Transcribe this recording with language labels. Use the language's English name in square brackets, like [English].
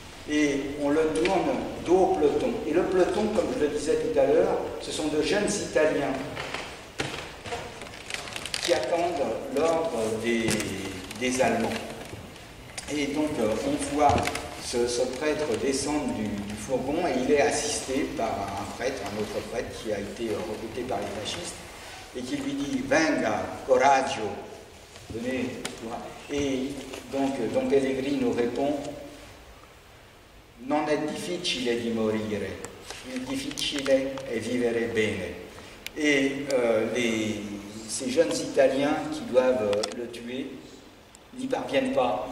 [French] Et on le tourne dos au peloton. Et le peloton, comme je le disais tout à l'heure, ce sont de jeunes Italiens qui attendent l'ordre des Allemands. Et donc on voit ce prêtre descendre du fourgon et il est assisté par un autre prêtre qui a été recruté par les fascistes et qui lui dit « [Italian] Venga, coraggio !» [French] Venez, et donc Pellegrino répond: [Italian] non è difficile di morire, il difficile è vivere bene. [French] Et ces jeunes Italiens qui doivent le tuer n'y parviennent pas.